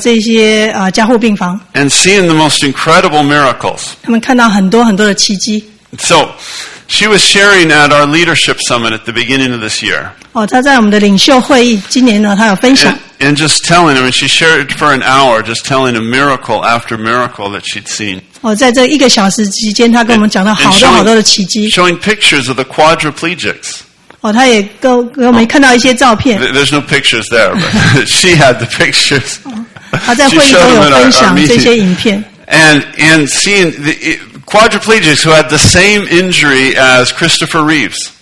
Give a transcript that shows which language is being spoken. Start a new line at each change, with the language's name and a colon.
Chinese: 神就为她打开这些急诊室，还有这些加护病房。
English: And seeing the most incredible miracles.
Chinese: 他们看到很多很多的奇迹。
English: So, she was sharing at our leadership summit at the beginning of this year.
Chinese: 她在我们的领袖会议今年呢，她有分享。
English: And just telling, I mean, she shared for an hour, just telling a miracle after miracle that she'd seen.
Chinese: 在这一个小时期间，她跟我们讲了好多好多的奇迹。
English: Showing pictures of the quadriplegics.
Chinese: 她也给我们看到一些照片。
English: There's no pictures there, but she had the pictures.
Chinese: 她在会议中有分享这些影片。
English: And seeing the quadriplegics who had the same injury as Christopher Reeves.